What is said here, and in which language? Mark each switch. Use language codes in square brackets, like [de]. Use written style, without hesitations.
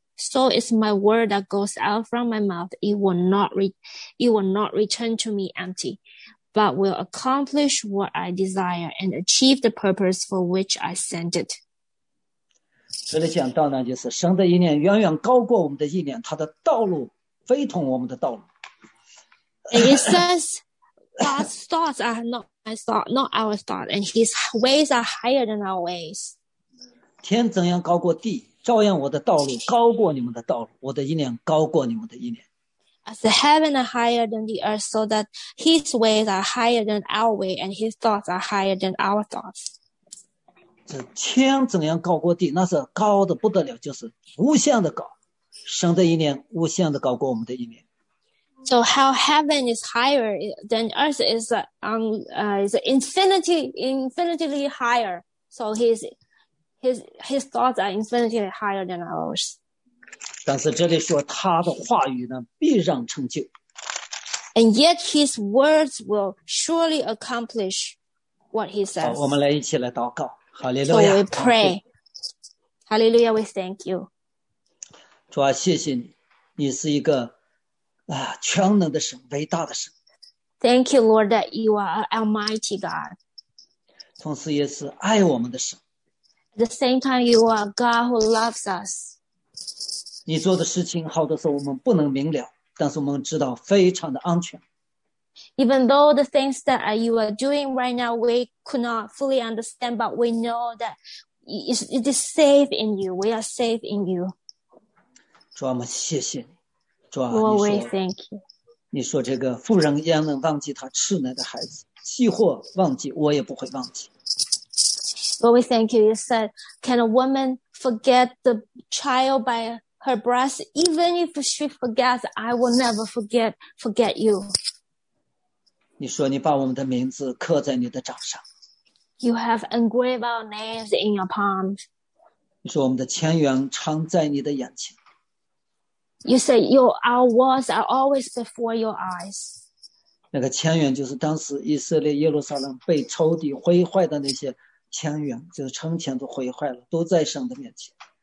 [en] So is my word that goes out from my mouth. It will not return to me empty, but will accomplish what I desire and achieve the purpose for which I sent it. [zh] 这里讲到呢，就是神的意念远远高过我们的意念，他的道路非同我们的道路。 [en] And it says, God's thoughts are not my thought, not our thought, and His ways are higher than our ways. [zh] 天怎样高过地？照样我的道路高过你们的道路，我的意念高过你们的意念。 [en] As the heaven are higher than the earth, so that his ways are higher than our way, and his thoughts are higher than our thoughts. [zh] 这天怎样高过地，那是高的不得了，就是无限的高。神的意念无限的高过我们的意念。 [en] So how heaven is higher than earth is infinitely higher. So His thoughts are infinitely higher than ours. [zh] 但是这里说他的话语呢必然成就。 [en] And yet his words will surely accomplish what he says. [zh] 好，我们来一起来祷告。哈利路亚。 [en] So we pray. Hallelujah, we thank you. [zh] 主啊，谢谢你，你是一个全能的神，伟大的神。 [en] Thank you, Lord, that you are an almighty God. [zh] 同时也是爱我们的神。 [en] At the same time, you are God who loves us. [zh] 你做的事情好多时候我们不能明了，但是我们知道非常的安全。 [en] Even though the things that you are doing right now, we could not fully understand, but we know that it is safe in you. We are safe in you. [zh] 主啊，我们谢谢你。主啊，你说。 [en] We thank you. [zh] 你说这个妇人焉能忘记她吃奶的孩子？既或忘记，我也不会忘记。 [en] But we thank you. You said, can a woman forget the child by her breast? Even if she forgets, I will never forget you. [zh] 你说你把我们的名字刻在你的掌上。 [en] You have engraved our names in your palms. [zh] 你说我们的前缘常在你的眼前。 [en] You said, our words are always before your eyes. [zh] 那个前缘就是当时以色列耶路撒冷被仇敌毁坏的那些前缘，就是城墙都毁坏了，都在神的面前。